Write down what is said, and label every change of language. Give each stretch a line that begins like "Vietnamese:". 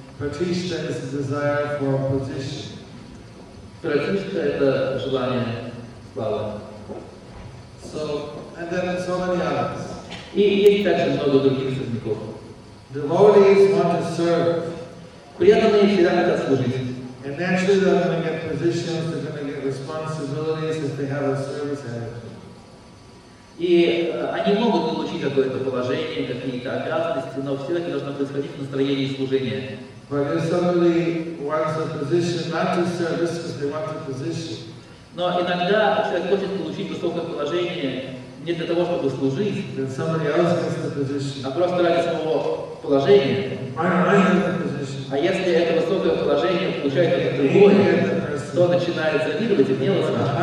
English: Пратишта – is desire for position.
Russian: Пратишта – это желание славы.
English: So, and then so many others.
Russian: И есть также много других сорняков.
English: Devotees want to serve.
Russian: Преданные всегда хотят служить.
English: And naturally they're going to get positions, they're going to get responsibilities if they have a service attitude.
Russian: И они могут получить какое-то положение, какие-то обязанности, но все таки должно происходить в настроении служения.
English: But if somebody wants a position not to serve, because they want a position.
Russian: Но иногда человек хочет получить высокое положение не для того, чтобы служить,
English: then somebody else gets the position.
Russian: А просто ради своего положения. А если это высокое положение получает от другого, то начинает завидовать и гневаться.